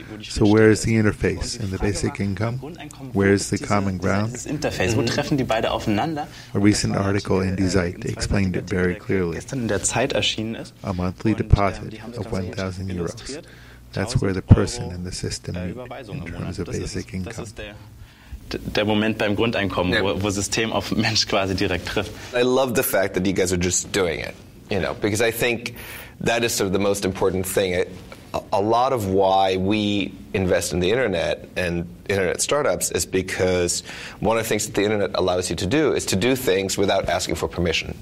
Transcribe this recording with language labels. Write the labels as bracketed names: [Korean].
[English] So where is the interface in the basic income? Where is the common ground? A recent article in Die Zeit explained it very clearly. A monthly deposit of 1,000 euros. That's where the person and the system meet in terms of basic income. [German] Der Moment beim Grundeinkommen, wo System auf Mensch quasi direkt trifft. [English] I love the fact that you guys are just doing it, you know, because I think that is sort of the most important thing. A lot of why we invest in the internet and internet startups is because one of the things that the internet allows you to do is to do things without asking for permission.